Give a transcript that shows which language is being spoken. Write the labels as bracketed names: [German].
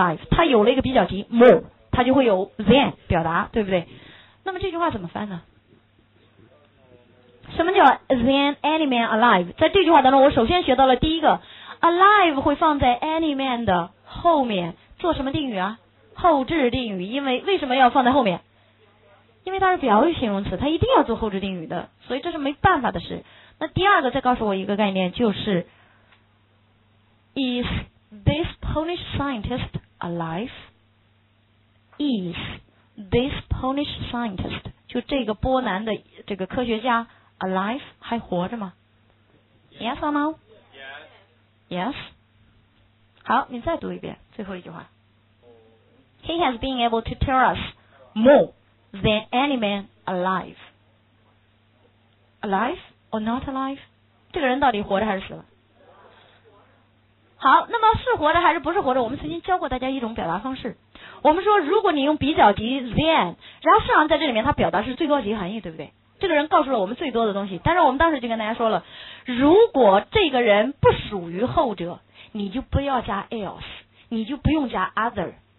[Chinese] 他有了一个比较级 more， 他就会有 than 表达，对不对？那么这句话怎么翻呢，什么叫 [English] than any man alive? [Chinese] 在这句话当中，我首先学到了第一个 alive 会放在 any man 的后面，做什么定语啊？后置定语。因为为什么要放在后面？因为它是表语形容词，它一定要做后置定语的，所以这是没办法的事。那第二个再告诉我一个概念，就是 [English] Is this Polish scientist alive? Is this Polish scientist, [Chinese] 就这个波兰的这个科学家 alive, 还活着吗？ [English] Yes or no? Yes. Yes. [Chinese] 好，你再读一遍最后一句话。 [English] He has been able to tell us more than any man alive. Alive or not alive? [Chinese] 这个人到底活着还是死了？好，那么是活着还是不是活着，我们曾经教过大家一种表达方式。我们说如果你用比较级 then, 然后上在这里面它表达是最高级含义，对不对？这个人告诉了我们最多的东西。但是我们当时就跟大家说了，如果这个人不属于后者，你就不要加 else, 你就不用加 other。